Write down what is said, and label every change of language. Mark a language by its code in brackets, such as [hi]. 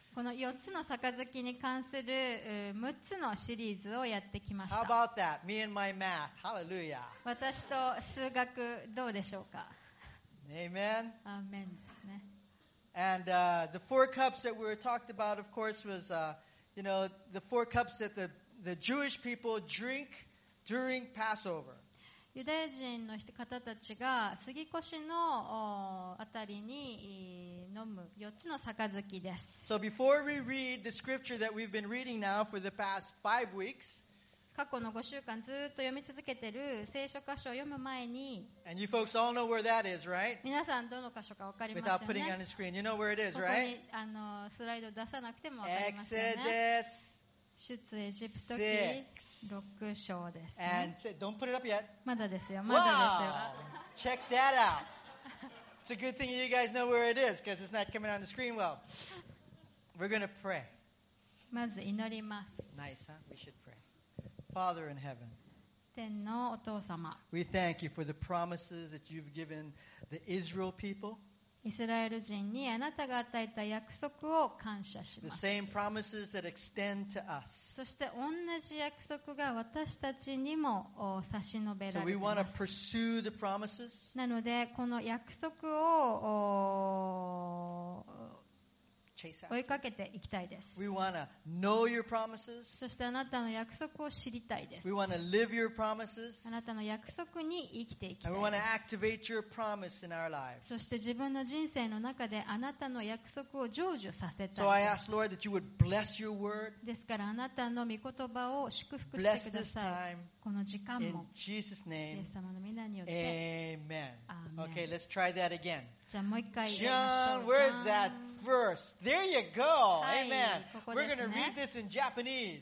[ja] この4つの杯に関する6つのシリーズをやってきました。 [en] How about that? Me and my math. Hallelujah. [ja] 私と数学どうでしょうか。 [en] Amen. [ja] Amen ですね。 [en] And the 4 cups that we were talked about, of course, was you know, the four cups that the Jewish people drink during Passover. [ja] ユダヤ人の方たちが過ぎ越しのあたりに飲む4つの杯です。 [en] So before we read the scripture that we've been reading now for the past 5 weeks, [ja] 過去の5週間ずっと読み続けている聖書箇所を読む前に、 [en] And you folks all know where that is, right? [ja] 皆さんどの箇所か分かりますよね。 [en] Without putting it on the screen, you know where it is, right? [ja] ここにスライド出さなくても分かりますよね。 [en] Exodus [ja] 出エジプト記6章です、ね、 [en] And say, don't put it up yet. [ja] まだですよ、まだですよ。 [en] Wow! Check that out! It's a good thing you guys know where it is, because it's not coming on the screen well. We're going to pray. [ja] まず祈ります。 [en] Nice, huh? We should pray. Father in heaven, [ja] 天のお父様、 [en] we thank you for the promises that you've given the Israel people. [ja] イスラエル人にあなたが与えた約束を感謝します。 [en] The same promises that extend to us. [ja] そして同じ約束が私たちにも差し伸べられます。 [en] So we want to pursue the promises. [ja] なのでこの約束を追いかけていきたいです。 [en] We want to know your promises. [ja] そしてあなたの約束を知りたいです。 [en] We want to live your promises. [ja] あなたの約束に生きていきたいです。 [en] And we want to activate your promise in our lives. [ja] そして自分の人生の中であなたの約束を成就させたいです。 [en] So I ask, Lord, that you would bless your word. [ja] ですからあなたの御言葉を祝福してください。 [en] Bless this time. [ja] この時間も。 [en] In Jesus' name. [ja] イエス様の名によって。 [en] Amen. Okay, let's try that again. [ja] じゃあもう一回。 [en] John, where's that verse? There you go. Amen. [ja] ここ、ね、 [en] We're going to read this in Japanese.